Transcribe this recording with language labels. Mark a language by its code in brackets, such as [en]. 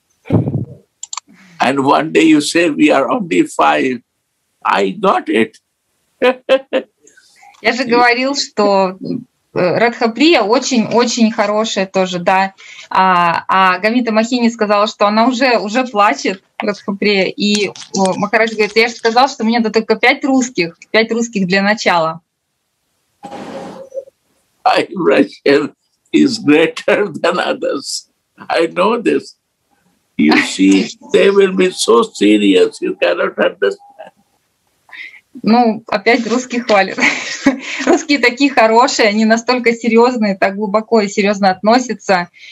[en] And one day you say, we are only 5. I got it. [ru] Я же говорил, что Радхаприя очень-очень хорошая тоже, да. А Гамита Махини сказала, что она уже плачет, Радхаприя. И Махарадж говорит, я же сказал, что мне надо только 5 русских для начала. [en] I Russian is greater than others. I know this. You see, they will be so serious, you cannot understand. [ru] Ну, опять русские хвалят. Русские такие хорошие, они настолько серьезные, так глубоко и серьезно относятся.